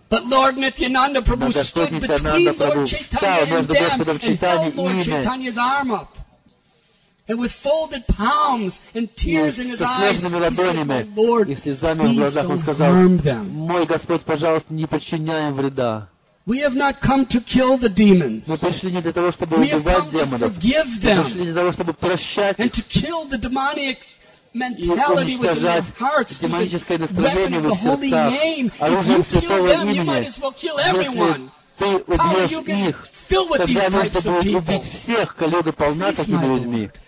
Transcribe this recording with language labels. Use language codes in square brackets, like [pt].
[ru] Но Господь Нитьянанда Прабху встал между Господом Чайтаньей и им. И со слезными ладонями и слезами в глазах он сказал: «Мой Господь, пожалуйста, не причиняй им вреда». [en] We have not come to kill the demons. [ru] Мы пришли не для того, чтобы убивать демонов. Мы пришли для того, чтобы прощать их. И уничтожать демоническое настроение в их сердцах. Оружием святого имени. Если ты убьешь их, тогда нужно будет убить всех, калёга полна такими людьми.